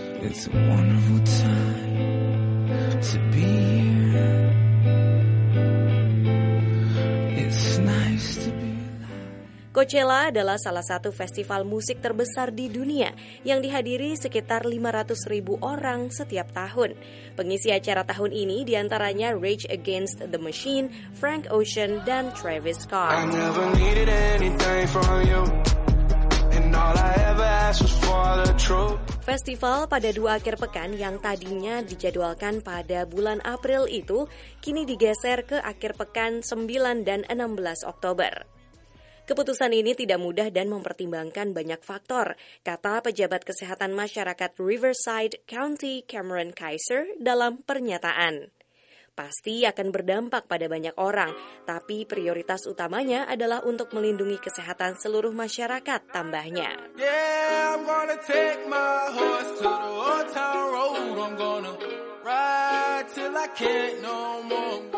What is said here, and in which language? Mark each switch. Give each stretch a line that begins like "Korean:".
English: It's a wonderful time to be here. It's nice to be.
Indonesian: Coachella adalah salah satu festival musik terbesar di dunia yang dihadiri sekitar 500 ribu orang setiap tahun. Pengisi acara tahun ini diantaranya Rage Against the Machine, Frank Ocean, dan Travis Scott.
English: I never needed anything from you. And all I ever asked was for the truth.
Indonesian: Festival pada dua akhir pekan yang tadinya dijadwalkan pada bulan April itu kini digeser ke akhir pekan 9 dan 16 Oktober. Keputusan ini tidak mudah dan mempertimbangkan banyak faktor, kata pejabat kesehatan masyarakat Riverside County Cameron Kaiser dalam pernyataan. Pasti akan berdampak pada banyak orang, tapi prioritas utamanya adalah untuk melindungi kesehatan seluruh masyarakat, tambahnya.
English: Yeah, I'm gonna take my horse to the old town road. I'm gonna ride till I can't no more.